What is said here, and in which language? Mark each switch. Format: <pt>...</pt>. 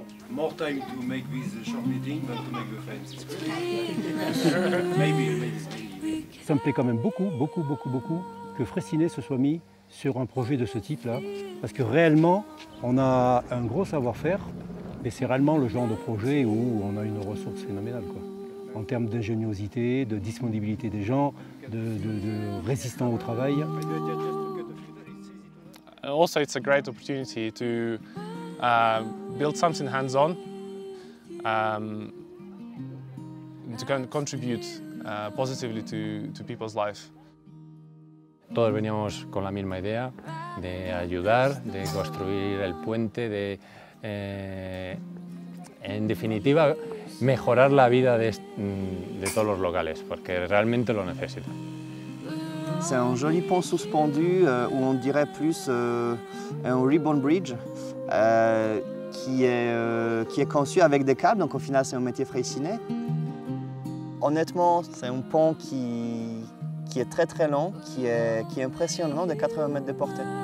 <en>More time to make this short meeting, but to make the friends. Maybe.</en> <fr>Ça me plaît quand même beaucoup, beaucoup, beaucoup, beaucoup que Freyssinet se soit mis sur un projet de ce type-là, parce que réellement, on a un gros savoir-faire. Mais c'est réellement le genre de projet où on a une ressource phénoménale, quoi. En termes d'ingéniosité, de disponibilité des gens, de résistance au travail.</fr> <en>Also, it's a great opportunity to build something hands-on, to contribute positively to people's life.</en> <es>Todos veníamos con la misma idea de ayudar, de construir el puente, de en definitiva, mejorar la vida de todos los locales, porque realmente lo necesitan.</es> <fr>C'est un joli pont suspendu, ou on dirait plus un ribbon bridge, qui est conçu avec des câbles, donc au final c'est un métier freyssinet. Honnêtement, c'est un pont qui est très très long, qui est impressionnant, de 80 mètres de portée.</fr>